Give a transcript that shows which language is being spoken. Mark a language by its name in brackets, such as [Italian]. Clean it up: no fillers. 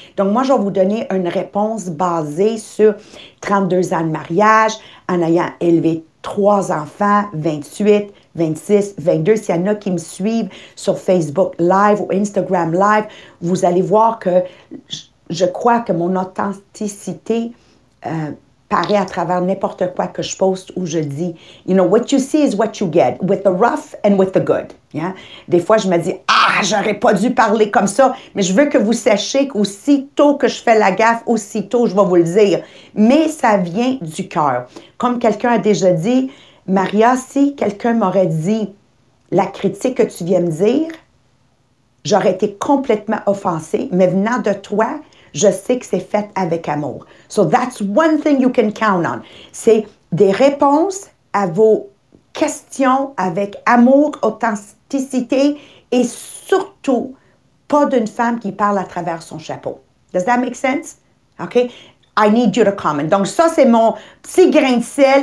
[French] Donc, moi, je vais vous donner une réponse basée sur 32 ans de mariage, en ayant élevé 3 enfants, 28, 26, 22. S'il y en a qui me suivent sur Facebook Live ou Instagram Live, vous allez voir que je crois que mon authenticité paraît à travers n'importe quoi que je poste ou je dis. [English] You know, what you see is what you get, with the rough and with the good. Yeah? [French] Des fois, je me dis, ah, j'aurais pas dû parler comme ça, mais je veux que vous sachiez qu'aussitôt que je fais la gaffe, aussitôt, je vais vous le dire. Mais ça vient du cœur. Comme quelqu'un a déjà dit, Maria, si quelqu'un m'aurait dit la critique que tu viens me dire, j'aurais été complètement offensée, mais venant de toi, je sais que c'est fait avec amour. [English] So that's one thing you can count on. [French] C'est des réponses à vos questions avec amour, authenticité et surtout pas d'une femme qui parle à travers son chapeau. [English] Does that make sense? OK? I need you to comment. [French] Donc ça, c'est mon petit grain de sel.